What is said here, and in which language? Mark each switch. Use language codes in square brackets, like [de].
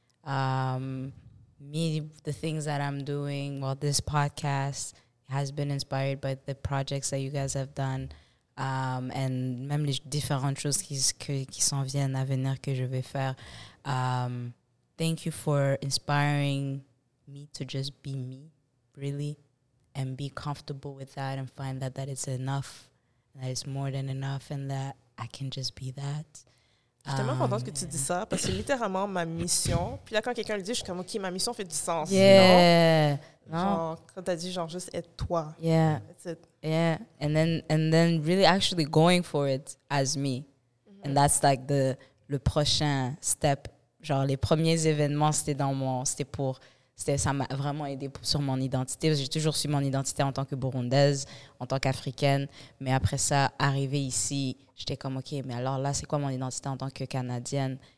[en] Me, the things that I'm doing, well, this podcast has been inspired by the projects that you guys have done, and [fr] même les différentes choses qui s'en viennent à venir que je vais faire. [en] Thank you for inspiring me to just be me, really, and be comfortable with that and find that it's enough, that it's more than enough, and that I can just be that. [fr] Je suis tellement contente que tu dis ça, parce que c'est littéralement ma mission. Puis là, quand quelqu'un le dit, je suis comme, OK, ma mission fait du sens. Non. Genre, quand t'as dit, genre, juste être toi. [en] Yeah. That's it. Yeah. And then really actually going for it as me. Mm-hmm. And that's like the [fr] le prochain [en] step. [fr] Genre les premiers événements, c'était dans mon, c'était pour, c'était, ça m'a vraiment aidé pour, sur mon identité. J'ai toujours su mon identité en tant que Burundaise, en tant qu'Africaine. Mais après ça, arrivé ici, j'étais comme, OK, mais alors là, c'est quoi mon identité en tant que Canadienne?